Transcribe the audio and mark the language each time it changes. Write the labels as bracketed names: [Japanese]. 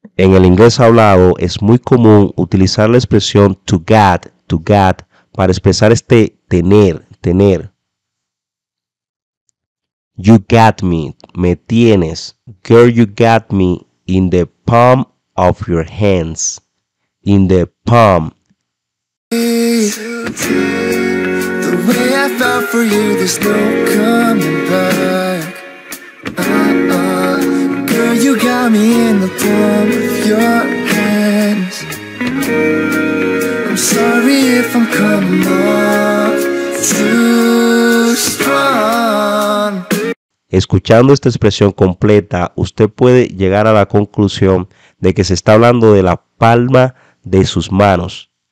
[Spanish] En el inglés hablado es muy común utilizar la expresión to got, para expresar este tener, tener. [English] You got me, [Spanish] me tienes. [English] Girl, you got me in the palm of your hands. In the palm. The way I fell for you, there's no coming back. Girl, you got me in the palm of your hands. I'm sorry if I'm coming off too strong. [Spanish] Escuchando esta expresión completa, usted puede llegar a la conclusión de que se está hablando de la palma de sus manos.